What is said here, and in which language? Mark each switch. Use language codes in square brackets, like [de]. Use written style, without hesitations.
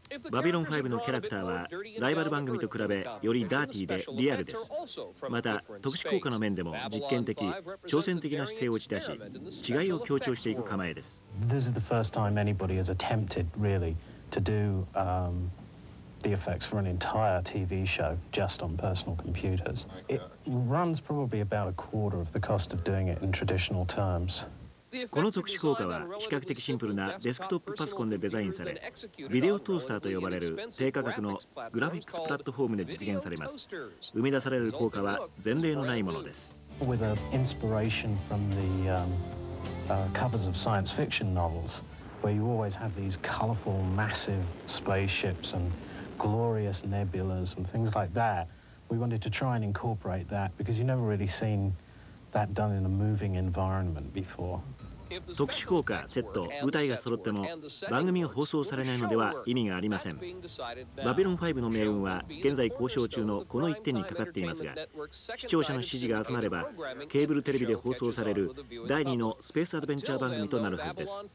[ja] バビロン5のキャラクターはライバル番組と比べよりダーティーでリアルです。また特殊効果の面でも実験的、挑戦的な姿勢を打ち出し、違いを強調していく構えです。 [en] This is the first time anybody has attempted really to do the effects for an entire TV show just on personal computers. It runs probably about a quarter of the cost of doing it in traditional terms. [ja] この特殊効果は比較的シンプルなデスクトップパソコンでデザインされ、ビデオトースターと呼ばれる低価格のグラフィックスプラットフォームで実現されます。生み出される効果は前例のないものです。 [en] With an inspiration from the covers of science fiction novels, where you always have these colorful massive spaceships and glorious nebulas and things like that, we wanted to try and incorporate that because you've never really seenthat done in a moving environment before. [ja] 特殊効果、セット、舞台が揃っても番組が放送されないのでは意味がありません。バビロン5の命運は現在交渉中のこの一点にかかっていますが、視聴者の支持が集まればケーブルテレビで放送される第2のスペースアドベンチャー番組となるはずです。